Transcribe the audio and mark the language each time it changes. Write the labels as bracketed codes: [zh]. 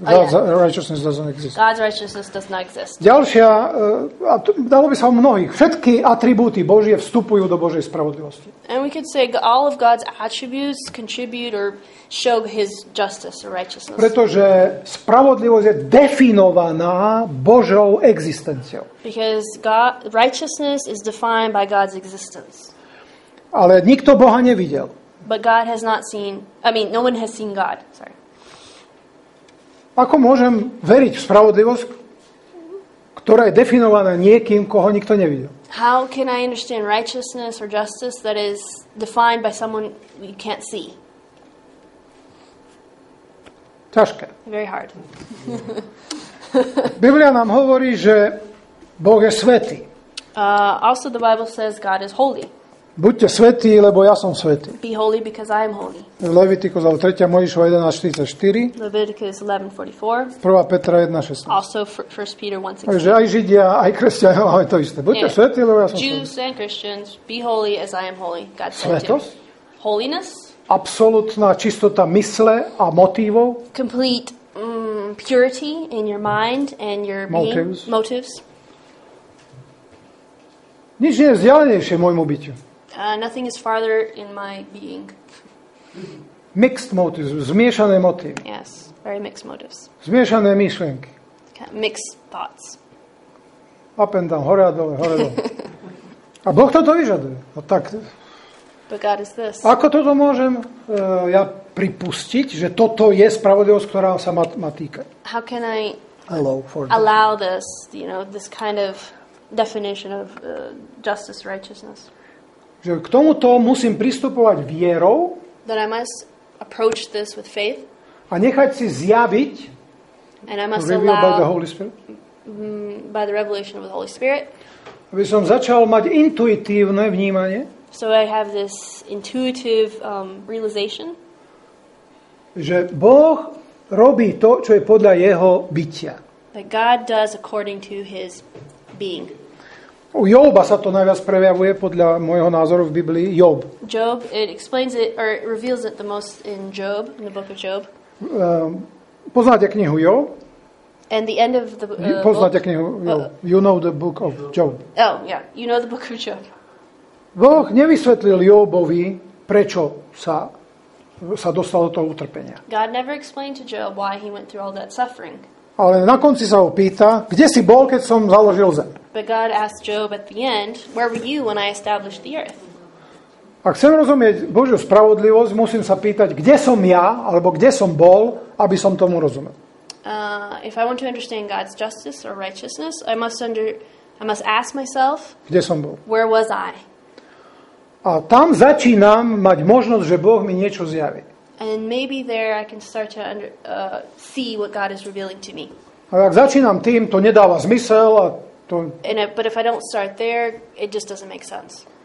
[en] God's righteousness doesn't exist. God's righteousness does not exist. [sk] Ďalšia, dalo by sa o mnohých. Všetky atribúty Božie vstupujú do Božej spravodlivosti. [en] And we could say all of God's attributes contribute or show his justice or righteousness. [sk] Pretože spravodlivosť je definovaná Božou existenciou. [en] Because God, righteousness is defined by God's existence. [sk] Ale nikto Boha nevidel. [en] But God has not seen, no one has seen God. Sorry. [sk] Ako môžem veriť v spravodlivosť, ktorá je definovaná niekým, koho nikto nevidel? [en] How can I understand righteousness or justice that is defined by someone you can't see? [sk] Ťažké. [en] Very hard. [sk] Biblia nám hovorí, že Boh je svätý. [en] Also the Bible says God is holy. [sk] Buďte svätí, lebo ja som svätý. [en] Be holy because I am holy. [sk] Levitikus 3. Mojžišova 11:44. [en] Leviticus 11:44. [sk] 1. Petra 1:16. [en] Also 1. Peter 1:16. [sk] Takže aj Židia, aj kresťania majú to isté. Buďte svätí, lebo ja som svätý. [en] Jews and Christians, be holy as I am holy. God said. [sk] Svetosť? [en] Holiness? [sk] Absolutná čistota mysle a motívov? [en] Complete purity in your mind and your motives. Being, motives. [sk] Nič nie je vzdialenejšie môjmu bytiu. [en] Nothing is farther in my being. Mixed motives, [sk] zmiešané motívy. [en] Yes, very mixed motives. [sk] Zmiešané myšlienky. [en] Mixed thoughts. Up and down, [sk] hore a dole, hore a dole. A Boh toto vyžaduje. No tak. [en] But God is this. [sk] Ako toto môžem ja pripustiť, že toto je spravodlivosť, ktorá sa ma týka? [en] How can I allow this, you know, this kind of definition of justice, righteousness. [sk] Že k tomuto musím pristupovať vierou. [en] That I must approach this with faith. [sk] A nechať si zjaviť. [en] And I must allow by the Holy Spirit. By the revelation of the Holy Spirit. [sk] Aby som začal mať intuitívne vnímanie. [en] So I have this intuitive realization. [sk] Že Boh robí to, čo je podľa jeho bytia. [en] That God does according to his being. [sk] U Joba sa to najviac prejavuje podľa môjho názoru v Biblii. [en] Job. Job, it explains it, or it reveals it the most in Job, in the book of Job. [sk] Poznáte knihu Job? [en] And the end of the book. [sk] Poznáte knihu Job. [en] You know the book of Job. Oh, yeah. You know the book of Job. [sk] Boh nevysvetlil Jobovi, prečo sa dostal do toho utrpenia. [en] God never explained to Job why he went through all that suffering. [sk] Ale na konci sa ho pýta, kde si bol, keď som založil zem. [en] But God asked Job at the end, where were you when I established the earth? [sk] Ak chcem rozumieť Božiu spravodlivosť, musím sa pýtať, kde som ja, alebo kde som bol, aby som tomu rozumel. [en] If I want to understand God's justice or righteousness, I must ask myself, [sk] kde som bol? [en] Where was I? [sk] A tam začínam mať možnosť, že Boh mi niečo zjaví. [en] And maybe there I can start to see what God is revealing to me. [sk] A ak začínam tým, to nedáva zmysel a to. [en] But if I don't start there, it just doesn't make sense.